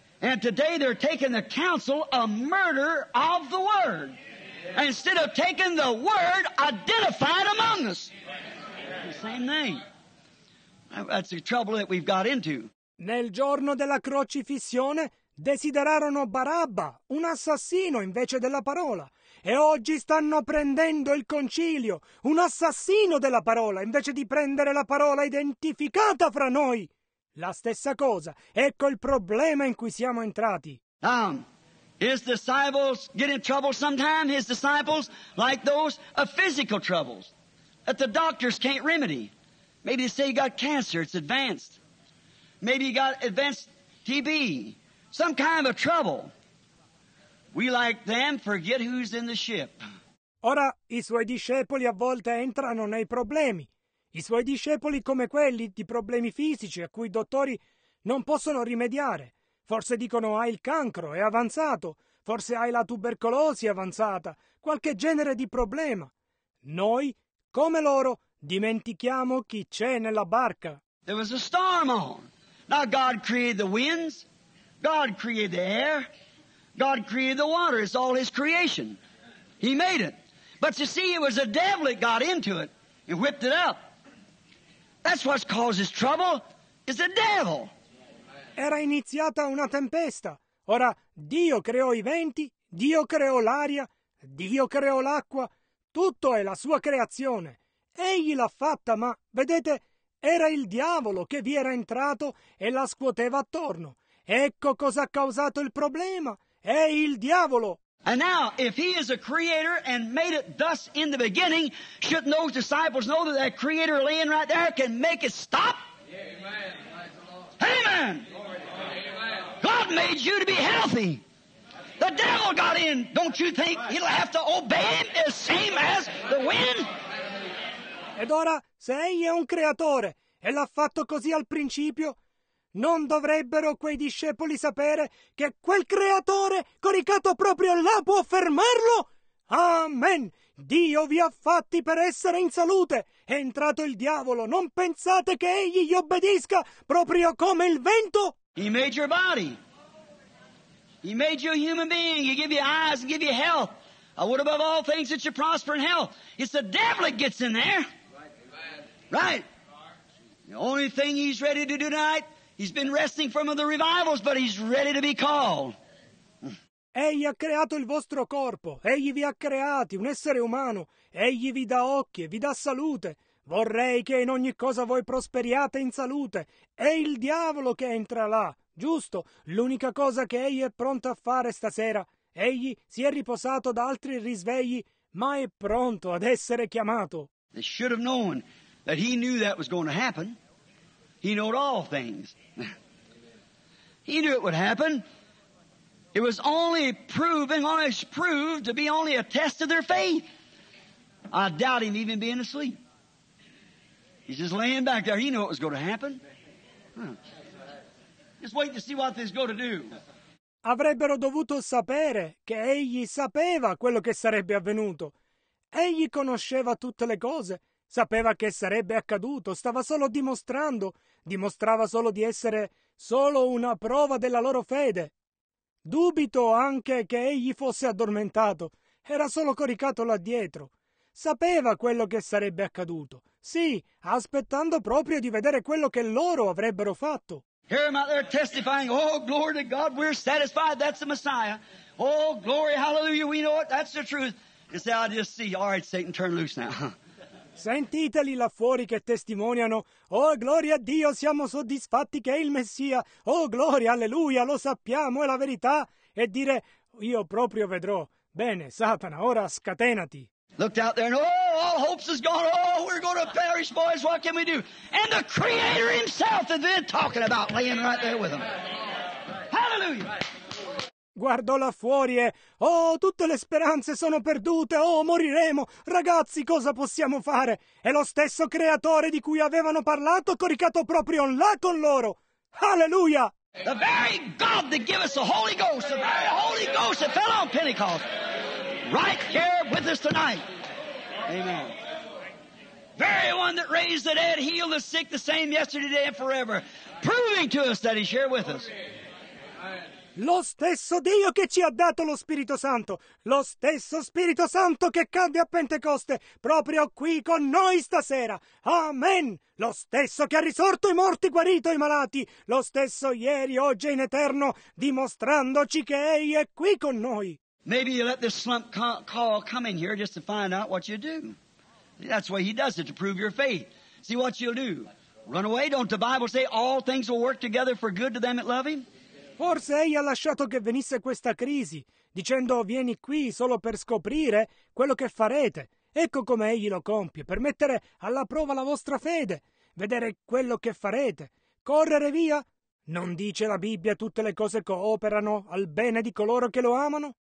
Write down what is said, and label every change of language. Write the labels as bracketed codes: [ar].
[en] And today they're taking the counsel of murder of the Word. Instead of taking the Word identified among us. The same thing. That's the trouble that we've got into. [it] Nel giorno della crocifissione desiderarono Barabba, un assassino invece della parola. E oggi stanno prendendo il concilio, un assassino della parola, invece di prendere la parola identificata fra noi. La stessa cosa. Ecco il problema in cui siamo entrati. [en] His disciples get in trouble sometimes. His disciples, like those of physical troubles that the doctors can't remedy. Maybe they say you got cancer, it's advanced. Maybe you got advanced TB, some kind of trouble. We like them, forget who's in the ship. [it] Ora, i suoi discepoli a volte entrano nei problemi. I suoi discepoli come quelli di problemi fisici a cui i dottori non possono rimediare. Forse dicono hai il cancro, è avanzato. Forse hai la tubercolosi avanzata. Qualche genere di problema. Noi, come loro, dimentichiamo chi c'è nella barca. [en] There was a storm on. Now God created the winds. God created the air. God created the water. It's all His creation. He made it. But you see, it was the devil that got into it and whipped it up. That's what causes trouble. It's the devil. [it] Era iniziata una tempesta. Ora, Dio creò i venti, Dio creò l'aria, Dio creò l'acqua. Tutto è la sua creazione. Egli l'ha fatta, ma, vedete, era il diavolo che vi era entrato e la scuoteva attorno. Ecco cosa ha causato il problema. È il diavolo. [en] And now, if he is a creator and made it thus in the beginning, shouldn't those disciples know that that creator laying right there can make it stop? Amen. Amen. God made you to be healthy. The devil got in. Don't you think he'll have to obey him the same as the wind? [it] Ed ora, se egli è un creatore e l'ha fatto così al principio, non dovrebbero quei discepoli sapere che quel creatore, coricato proprio là, può fermarlo? Amen! Dio vi ha fatti per essere in salute. È entrato il diavolo. Non pensate che egli gli obbedisca proprio come il vento? [en] He made your body. He made you a human being. He gave you eyes, he gave you health. I would above all things that you prosper in health. It's the devil that gets in there. Right? The only thing he's ready to do tonight, he's been resting from the revivals, but he's ready to be called. [it] Egli ha creato il vostro corpo. Egli vi ha creati, un essere umano. Egli vi dà occhi e vi dà salute. Vorrei che in ogni cosa voi prosperiate in salute. È il diavolo che entra là, giusto? L'unica cosa che egli è pronto a fare stasera. Egli si è riposato da altri risvegli, ma è pronto ad essere chiamato. [en] They should have known that he knew that was going to happen. He knew all things. He knew it would happen. It was only proving, only proved to be only a test of their faith. I doubt him even being asleep. He's just laying back there. He knew it was going to happen. Just wait to see what this is going to do. [it] Avrebbero dovuto sapere che egli sapeva quello che sarebbe avvenuto. Egli conosceva tutte le cose. Sapeva che sarebbe accaduto. Stava solo dimostrando. Dimostrava solo di essere solo una prova della loro fede. Dubito anche che egli fosse addormentato. Era solo coricato là dietro. Sapeva quello che sarebbe accaduto. Sì, aspettando proprio di vedere quello che loro avrebbero fatto. [en] Here I'm out there testifying, oh glory to God, we're satisfied, that's the Messiah. Oh glory, hallelujah, we know it, that's the truth. You say, I just see, all right, Satan, turn loose now. [it] Sentiteli là fuori che testimoniano, oh gloria a Dio, siamo soddisfatti che è il Messia. Oh gloria, alleluia, lo sappiamo, è la verità. E dire, io proprio vedrò. Bene, Satana, ora scatenati. [en] Looked out there and oh, all hopes is gone. Oh, we're going to perish, boys. What can we do? And the Creator Himself that they're talking about laying right there with them. Hallelujah! [it] Guardò là fuori e oh, tutte le speranze sono perdute. Oh, moriremo. Ragazzi, cosa possiamo fare? È lo stesso Creatore di cui avevano parlato, coricato proprio là con loro. [en] Hallelujah! The very God that gave us the Holy Ghost, the very Holy Ghost that fell on Pentecost, right here with us tonight. Amen. Very one that raised the dead, healed the sick, the same yesterday, today, and forever, proving to us that he's here with us. [it] Lo stesso Dio che ci ha dato lo Spirito Santo, lo stesso Spirito Santo che cadde a Pentecoste, proprio qui con noi stasera. Amen! Lo stesso che ha risorto i morti, guarito i malati, lo stesso ieri, oggi e in eterno, dimostrandoci che Egli è qui con noi. [en] Maybe you let this slump call come in here just to find out what you do. That's why he does it, to prove your faith. See what you'll do. Run away, don't the Bible say all things will work together for good to them that love him? [it] Forse egli ha lasciato che venisse questa crisi, dicendo vieni qui solo per scoprire quello che farete. Ecco come egli lo compie, per mettere alla prova la vostra fede, vedere quello che farete, correre via. Non dice la Bibbia tutte le cose cooperano al bene di coloro che lo amano?